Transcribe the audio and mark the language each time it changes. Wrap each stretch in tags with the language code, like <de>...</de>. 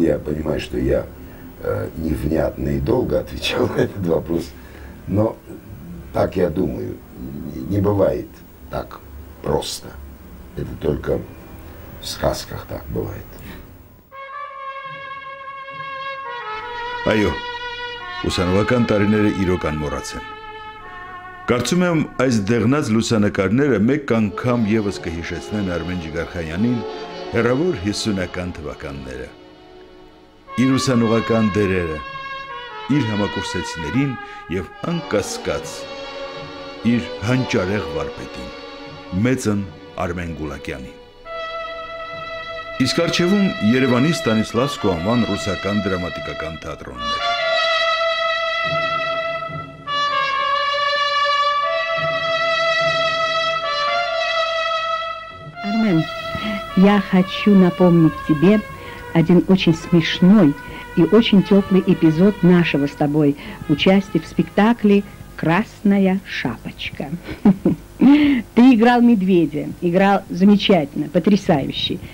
<ru>Я понимаю, что я невнятно и долго отвечал на этот вопрос, но так я думаю, не бывает так просто. Это только в сказках так бывает.</ru> <hy>Айо, ուսանողական տարիները իրոքան մոռացեմ. Կարծում եմ, այս դեղնած լուսանկարները մեկ անգամ ևս կհիշեցնեն Արմեն Ջիգարխանյանին հեռավոր 50-ական թվականները, իր ուսանողական դերերը, իր համակուրսեցիներին և անկասկած իր հանճարեղ վարպետին, մեծն Արմեն Գուլակյանին։ Իսկ արչևում Երևանի Ստանիսլավսկու անվան ռուսական դրամատիկական թատրոնն էր։</hy> <ru>Армен, я хочу напомнить тебе один очень смешной и очень теплый эпизод нашего с тобой участия в спектакле «Красная шапочка». Ты играл медведя, играл замечательно, потрясающе.</ru>